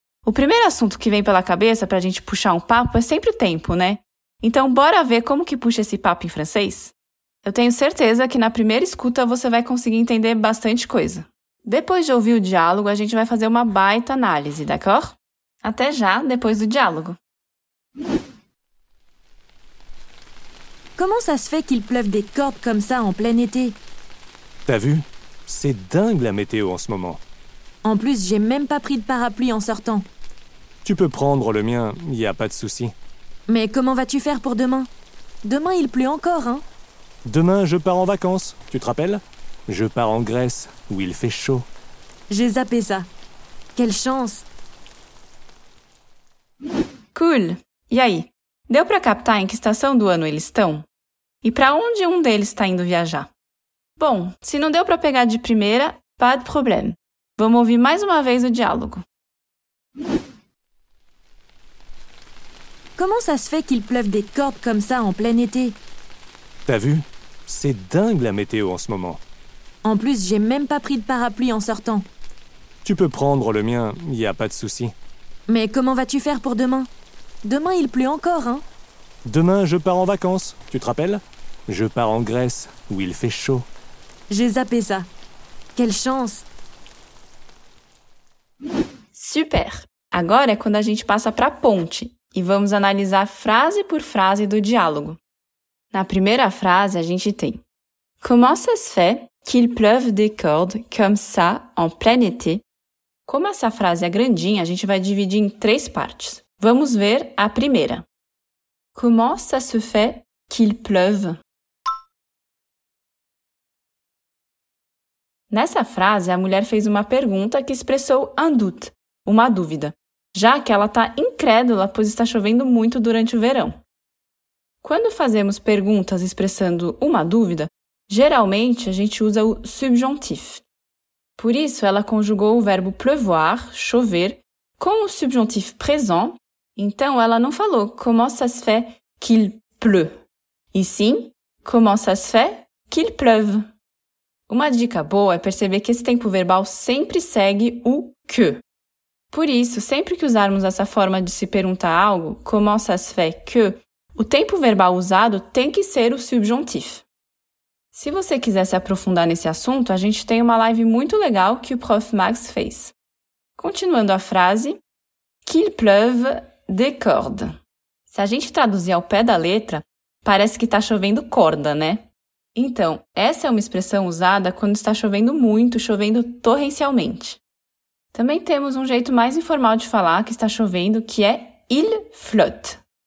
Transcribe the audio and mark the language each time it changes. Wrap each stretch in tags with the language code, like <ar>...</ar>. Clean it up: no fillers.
<pt>O primeiro assunto que vem pela cabeça para a gente puxar um papo é sempre o tempo, né? Então, bora ver como que puxa esse papo em francês? Eu tenho certeza que na primeira escuta você vai conseguir entender bastante coisa. Depois de ouvir o diálogo, a gente vai fazer uma baita análise, d'accord? Até já, depois do diálogo.</pt> <fr>Como ça se fait qu'il pleuve des cordes comme ça en plein été? T'as vu? C'est dingue la météo en ce moment. En plus, j'ai même pas pris de parapluie en sortant. Tu peux prendre le mien, y a pas de souci. Mais comment vas-tu faire pour demain? Demain, il pleut encore, hein? Demain, je pars en vacances, tu te rappelles? Je pars en Grèce, où il fait chaud. J'ai zappé ça. Quelle chance!</fr> <pt>Cool! E aí? Deu pra captar em que estação do ano eles estão? E pra onde um deles está indo viajar? Bom, se não deu para pegar de primeira,</pt> <fr>pas de problème.</fr> <pt>Vamos ouvir mais uma vez o diálogo.</pt> <fr>Comment ça se fait qu'il pleuve des cordes comme ça en plein été? T'as vu? C'est dingue la météo en ce moment. En plus, j'ai même pas pris de parapluie en sortant. Tu peux prendre le mien, y a pas de souci. Mais comment vas-tu faire pour demain? Demain, il pleut encore, hein? Demain, je pars en vacances, tu te rappelles? Je pars en Grèce, où il fait chaud. J'ai zappé ça. Quelle chance! Super!</fr> <pt>Agora é quando a gente passa para a ponte e vamos analisar frase por frase do diálogo. Na primeira frase, a gente tem:</pt> <fr>Comment ça se fait qu'il pleuve des cordes comme ça en plein été?</fr> <pt>Como essa frase é grandinha, a gente vai dividir em três partes. Vamos ver a primeira.</pt> <fr>Comment ça se fait qu'il pleuve?</fr> <pt>Nessa frase, a mulher fez uma pergunta que expressou</pt> <fr>un doute,</fr> <pt>uma dúvida, já que ela está incrédula, pois está chovendo muito durante o verão. Quando fazemos perguntas expressando uma dúvida, geralmente a gente usa o subjuntif. Por isso, ela conjugou o verbo pleuvoir, chover, com o subjuntif présent, então ela não falou</pt> <fr>comment ça se fait qu'il pleut,</fr> <pt>e sim</pt> <fr>comment ça se fait qu'il pleuve.</fr> <pt>Uma dica boa é perceber que esse tempo verbal sempre segue o que. Por isso, sempre que usarmos essa forma de se perguntar algo,</pt> <fr>comment ça se fait que,</fr> <pt>o tempo verbal usado tem que ser o subjuntif. Se você quiser se aprofundar nesse assunto, a gente tem uma live muito legal que o Prof. Max fez. Continuando a frase,</pt> <fr>qu'il pleuve des cordes.</fr> <pt>Se a gente traduzir ao pé da letra, parece que está chovendo corda, né? Então, essa é uma expressão usada quando está chovendo muito, chovendo torrencialmente. Também temos um jeito mais informal de falar que está chovendo, que é</pt> <fr>il flotte.</fr>